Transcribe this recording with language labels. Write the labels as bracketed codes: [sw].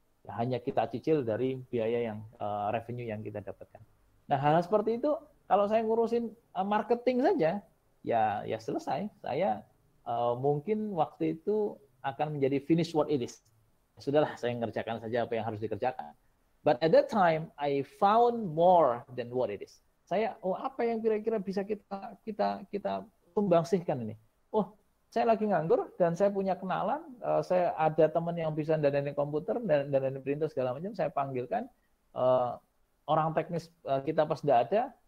[id] Hanya kita cicil dari biaya yang revenue yang kita dapatkan. Nah, hal seperti itu, kalau saya ngurusin marketing saja, ya selesai. Saya mungkin waktu itu akan menjadi [en] finish what it is. [id] Sudahlah, saya ngerjakan saja apa yang harus dikerjakan. [en] But at that time, I found more than what it is. [id] Saya, apa yang kira-kira bisa kita sumbangsihkan ini? Oh, saya lagi nganggur dan saya punya kenalan, saya ada teman yang bisa dandanin komputer, dandanin printer, segala macam, saya panggilkan. Orang teknis kita pas tidak ada.